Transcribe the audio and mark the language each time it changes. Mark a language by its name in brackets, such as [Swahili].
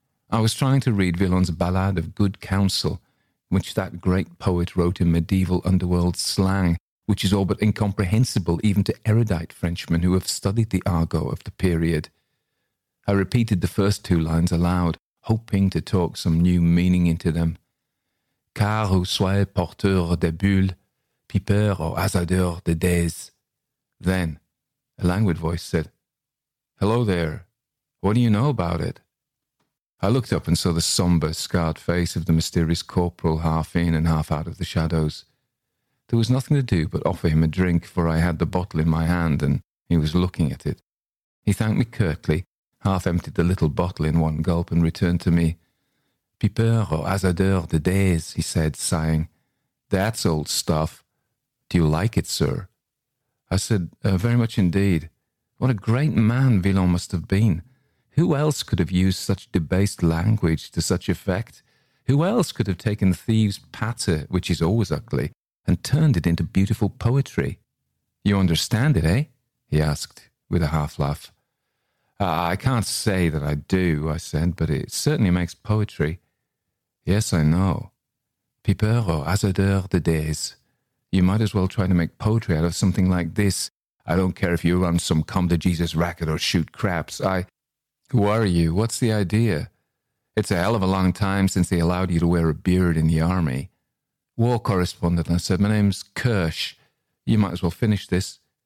[English] I was trying to read Villon's Ballade of Good Counsel, which that great poet wrote in medieval underworld slang, which is all but incomprehensible even to erudite Frenchmen who have studied the argot of the period. I repeated the first two lines aloud, hoping to talk some new meaning into them. [French] Car ou soyez porteur de bulles, pipeur ou hasardeur de dés. [English] Then, a languid voice said, "Hello there, what do you know about it?" I looked up and saw the sombre, scarred face of the mysterious corporal half in and half out of the shadows. There was nothing to do but offer him a drink, for I had the bottle in my hand and he was looking at it. He thanked me curtly, half emptied the little bottle in one gulp and returned to me. [French] "Pipeur au hasardeur de dés," [English] he said, sighing. "That's old stuff. Do you like it, sir?" I said, "Very much indeed. What a great man Villon must have been. Who else could have used such debased language to such effect? Who else could have taken thieves' patter, which is always ugly, and turned it into beautiful poetry? You understand it, eh?" he asked, with a half laugh. I can't say that I do," I said, "but it certainly makes poetry." "Yes, I know. [French] Pipeur au hasardeur de dés. [English] You might as well try to make poetry out of something like this. I don't care if you run some come-to-Jesus racket or shoot craps. Who are you? What's the idea? It's a hell of a long time since they allowed you to wear a beard in the army." "War correspondent," I said. "My name's Kersh. You might as well finish this."